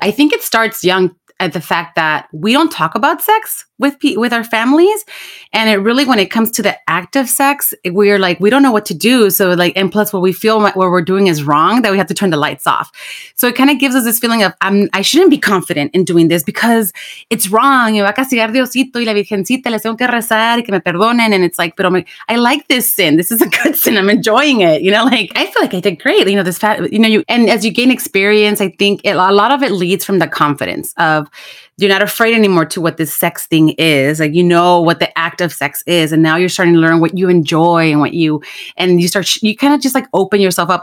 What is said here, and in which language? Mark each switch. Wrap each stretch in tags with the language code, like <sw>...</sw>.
<en>I think it starts young at the fact that we don't talk about sex with our families. And it really, when it comes to the act of sex, we're like, we don't know what to do. So like, and plus what we feel what we're doing is wrong, that we have to turn the lights off. So it kind of gives us this feeling of, I shouldn't be confident in doing this because it's wrong.</en> <es>Me va a castigar Diosito y la Virgencita, les tengo que rezar y que me perdonen.</es> <en>And it's like, but I like this sin. This is a good sin. I'm enjoying it. You know, like, I feel like I did great. You know, this fat, you know, you, and as you gain experience, I think it, a lot of it leads from the confidence of, you're not afraid anymore to what this sex thing is. Like, you know what the act of sex is. And now you're starting to learn what you enjoy and what you, and you start, you kind of just like open yourself up.</en>